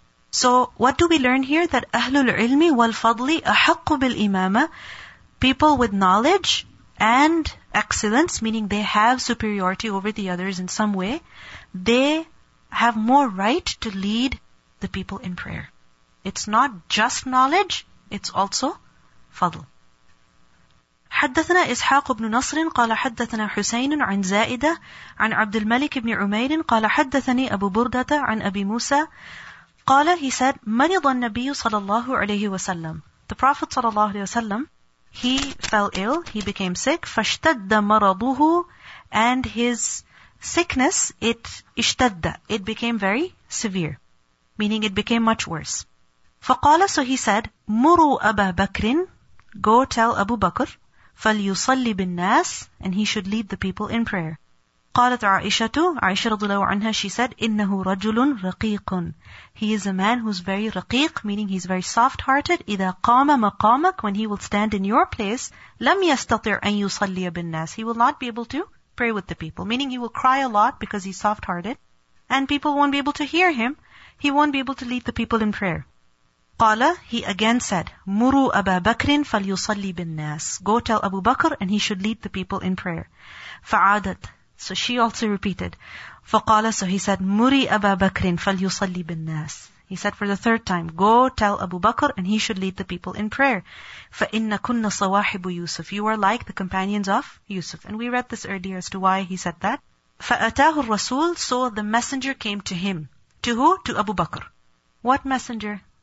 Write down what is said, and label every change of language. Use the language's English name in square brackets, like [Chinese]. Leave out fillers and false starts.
[English] So what do we learn here? That [Arabic] Ahlul Ilmi wal Fadli ahaqqu bil imama. [English] People with knowledge and excellence, meaning they have superiority over the others in some way, they have more right to lead the people in prayer. It's not just knowledge, it's also fadl. [Arabic] حدثنا إسحاق بن نصر قال حدثنا حسين عن زائدة عن عبد الملك بن عمير قال حدثني أبو بردة عن أبي موسى قال [English] he said [Arabic] من ظن النبي صلى الله عليه وسلم. [English] The Prophet صلى الله عليه وسلم, he fell ill, he became sick, [Arabic] فاشتد مرضه, [English] and his sickness, it اشتد, it became very severe, meaning it became much worse. [Arabic] فقال, [English] so he said [Arabic] مروا أبا بكر, [English] go tell Abu Bakr, [Arabic] فليصلي بالناس, [English] and he should lead the people in prayer. [Arabic] قالت عائشة, عائشة رضي الله عنها, [English] she said, [Arabic] إنه رجل رقيق. [English] He is a man who is very رقيق, meaning he is very soft-hearted. [Arabic] إذا قام مقامك, [English] when he will stand in your place, [Arabic] لم يستطع أن يصلي بالناس. [English] He will not be able to pray with the people. Meaning he will cry a lot because he's soft-hearted. And people won't be able to hear him. He won't be able to lead the people in prayer. [Arabic] قال, [English] he again said, [Arabic] مروا أبا بكر فليصلي بالناس. [English] Go tell Abu Bakr and he should lead the people in prayer. [Arabic] فعادت, [English] so she also repeated. [Arabic] فقال, [English] so he said, [Arabic] مري أبا بكر فليصلي بالناس. [English] He said for the third time, go tell Abu Bakr and he should lead the people in prayer. [Arabic] فَإِنَّ كُنَّ صَوَاحِبُ يُوسُفُ. [English] You are like the companions of Yusuf. And we read this earlier as to why he said that. [Arabic] فَأَتَاهُ الرَّسُولُ, [English] so the messenger came to him. To who? To Abu Bakr. What messenger?